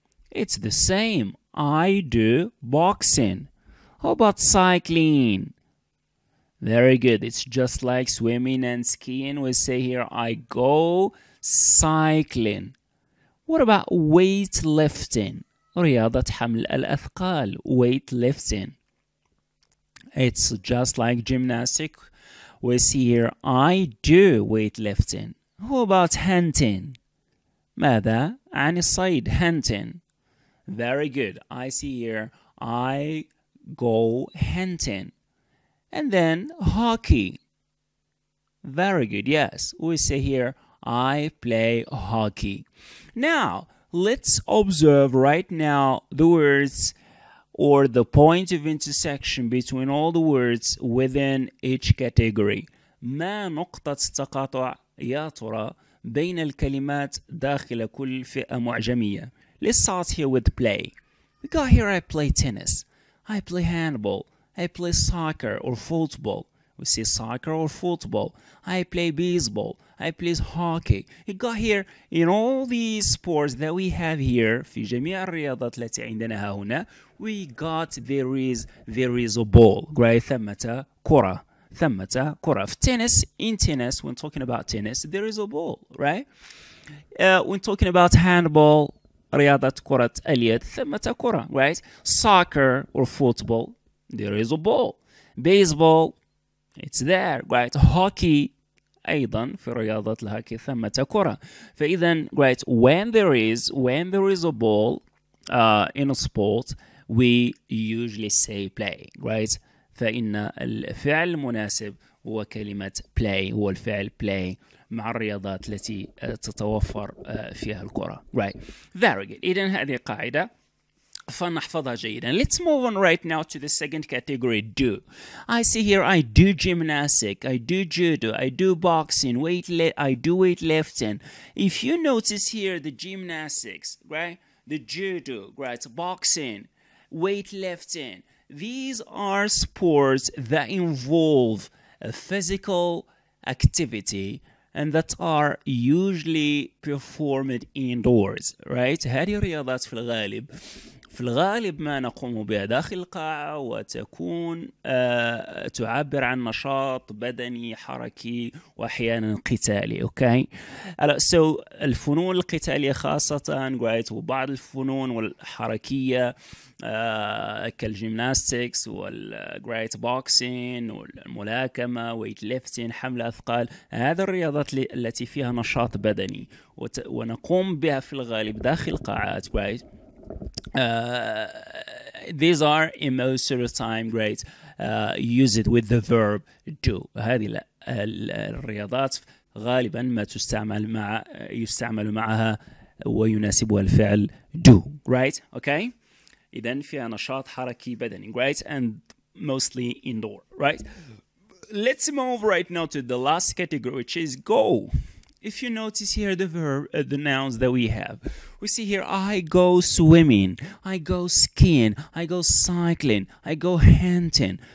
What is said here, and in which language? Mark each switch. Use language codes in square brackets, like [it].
[en] It's the same. I do boxing. How about cycling? Very good. It's just like swimming and skiing. We say here, I go cycling. What about weightlifting? [ar] رياضة حمل الأثقال, weightlifting. [en] It's just like gymnastic. We see here, I do weightlifting. How about hunting? [ar] ماذا عن الصيد, hunting. [en] Very good. I see here, I go hunting. And then hockey. Very good. Yes, we say here, I play hockey. Now, let's observe right now the words or the point of intersection between all the words within each category. [ar] ما نقطة التقاطع يا ترى بين الكلمات داخل كل فئة معجمية؟ [en] Let's start here with play. We got here, I play tennis. I play handball. I play soccer or football. We say soccer or football. I play baseball. I play hockey. You got here in all these sports that we have here. [ar] في جميع الرياضات التي عندنا هنا, [en] we got there is a ball. [ar] Right? ثمة كرة. [en] In tennis, when talking about tennis, there is a ball. Right? When talking about handball, [ar] رياضة كرة اليد, ثمة كرة. [en] Right? Soccer or football, there is a ball. Baseball, it's there. Right? Hockey. [ar] أيضا في رياضة الهوكي ثمة كرة. فإذا [en] right, when there is a ball in a sport, we usually say play. Right? [ar] فإن الفعل المناسب هو كلمة play, هو الفعل play مع الرياضات التي تتوفر فيها الكرة. Right? [en] Very good. [ar] إذن هذه قاعدة فنحفظها جيدا. [en] Let's move on right now to the second category, do. I see here, I do gymnastic, I do judo, I do boxing, weightlifting. If you notice here, the gymnastics, right? The judo, right? Boxing, weightlifting. These are sports that involve a physical activity and that are usually performed indoors, right? [ar] هذه الرياضات في الغالب ما نقوم بها داخل القاعة وتكون تعبر عن نشاط بدني حركي وأحيانا قتالي. [en] Okay. Okay. [ar] So الفنون القتالية خاصة right, وبعض الفنون الحركية كالجيمناستيكس والغريت بوكسين والملاكمة ويتليفتين حمل أثقال, هذه الرياضات التي فيها نشاط بدني ونقوم بها في الغالب داخل القاعات right. [en] These are in most of the time great used with the verb do. [ar] هذه الرياضات غالبا ما تستعمل مع يستعمل معها ويناسبها الفعل do, right? Okay, إذن فيها نشاط حركي بدني, right? [en] And mostly indoor, right? Let's move right now to the last category, which is go. If you notice here the verb, the nouns that we have, we see here, I go swimming, I go skiing, I go cycling, I go hunting.